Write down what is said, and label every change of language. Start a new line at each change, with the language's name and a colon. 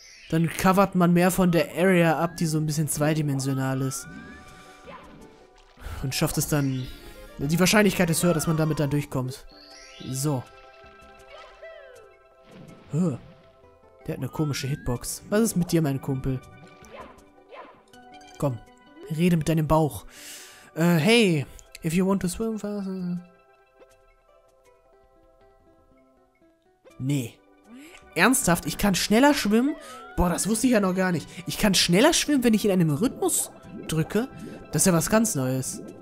German: Dann covert man mehr von der Area ab, die so ein bisschen zweidimensional ist. Und schafft es dann... Die Wahrscheinlichkeit ist höher, dass man damit dann durchkommt. So. Huh. Der hat eine komische Hitbox. Was ist mit dir, mein Kumpel? Komm, rede mit deinem Bauch.
English: Hey, if you want to swim fast...
German: Nee. Ernsthaft, ich kann schneller schwimmen? Boah, das wusste ich ja noch gar nicht. Ich kann schneller schwimmen, wenn ich in einem Rhythmus drücke? Das ist ja was ganz Neues.